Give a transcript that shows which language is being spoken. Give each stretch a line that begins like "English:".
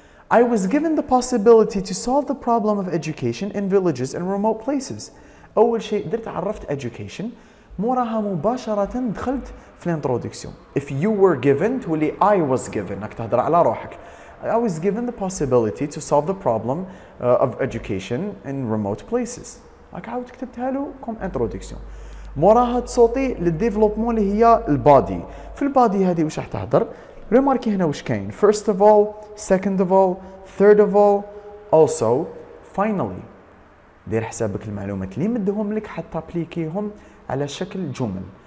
English: I was given the possibility to solve the problem of education in villages and remote places.
Arabic: اول شيء درت عرفت education موراها مباشرة دخلت في الانترودكسيون.
English: If you were given
Arabic: تولي
English: I was given،
Arabic: راك تهضر على روحك.
English: I was given the possibility to solve the problem of education in remote places.
Arabic: راك عاود كتبتها له كوم انترودكسيون. موراها تصوتي للديفلوبمون اللي هي البادي. في البادي هذه واش راح تهضر؟ ريماركي هنا واش كاين؟
English: First of all, second of all, third of all, also, finally.
Arabic: دير حسابك المعلومات اللي مدهم لك حتى ابليكيهم على شكل جمل.